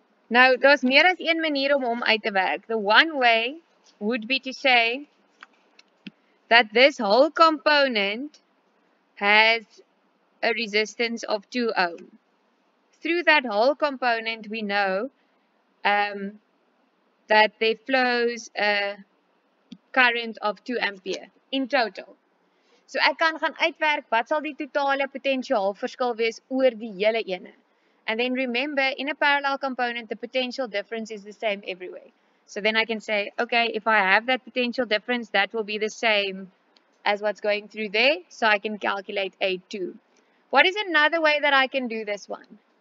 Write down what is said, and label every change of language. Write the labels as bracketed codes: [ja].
[en] Now, there's more than one [af] manier om hom uit te werk. [en] The one way would be to say that this whole component has a resistance of 2 ohm. Through that whole component, we know that there flows a current of 2 ampere in total. [af] So ek kan gaan uitwerk wat sal die totale potential verskil wees oor die hele ene. [en] And then remember, in a parallel component, the potential difference is the same everywhere. So then I can say, okay, if I have that potential difference, that will be the same as what's going through there. So I can calculate A2. What is another way that I can do this one?